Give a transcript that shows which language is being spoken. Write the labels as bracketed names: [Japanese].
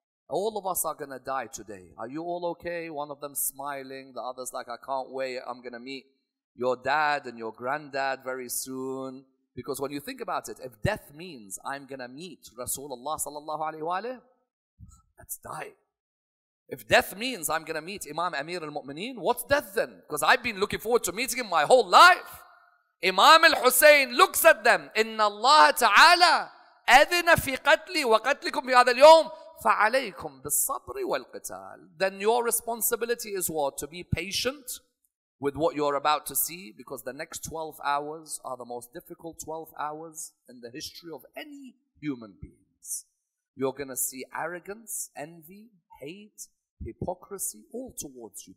[English] All of us are going to die today. Are you all okay? One of them smiling, the other's like, I can't wait, I'm going to meet your dad and your granddad very soon. Because when you think about it, if death means I'm going to meet Rasulullah sallallahu alayhi wa alayhi, let's die. If death means I'm going to meet Imam Amir al-Mu'mineen, what's death then? Because I've been looking forward to meeting him my whole life. Imam al-Husayn looks at them, [Arabic] إِنَّ اللَّهَ تَعَالَى أَذِنَ فِي قَتْلِي وَقَتْلِكُمْ بِهَذَا الْيَوْمِ فَعَلَيْكُمْ بِالصَّبْرِ وَالْقِتَالِ. [English] Then your responsibility is what? To be patient with what you're about to see, because the next 12 hours are the most difficult 12 hours in the history of any human beings. You're going to see arrogance, envy, hate, hypocrisy all towards you.